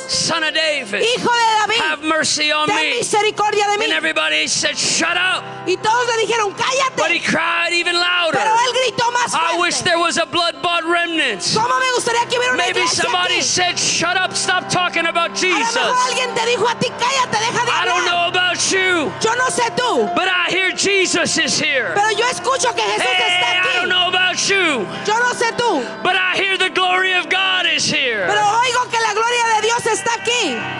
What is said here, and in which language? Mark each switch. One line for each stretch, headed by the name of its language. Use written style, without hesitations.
English: Son of David,
Spanish: Hijo de David,
English: have mercy on
Spanish: ten
English: me.
Spanish: Misericordia de mí.
English: And everybody said, shut up.
Spanish: Y todos le dijeron, cállate.
English: But he cried even louder.
Spanish: Pero él gritó más fuerte.
English: I wish there was a blood-bought remnant.
Spanish: ¿Cómo me gustaría que hubiera una iglesia aquí?
English: Maybe somebody said, shut up, stop talking about Jesus.
Spanish: A lo mejor alguien te dijo a ti, cállate, deja de hablar.
English: I don't know about you.
Spanish: Yo no sé tú.
English: But I hear Jesus is here.
Spanish: Pero yo escucho que Jesús hey, está aquí.
English: I don't know about you.
Spanish: Yo no sé tú.
English: But I hear the glory of God is here.
Spanish: Pero oigo que la gloria de Dios está aquí.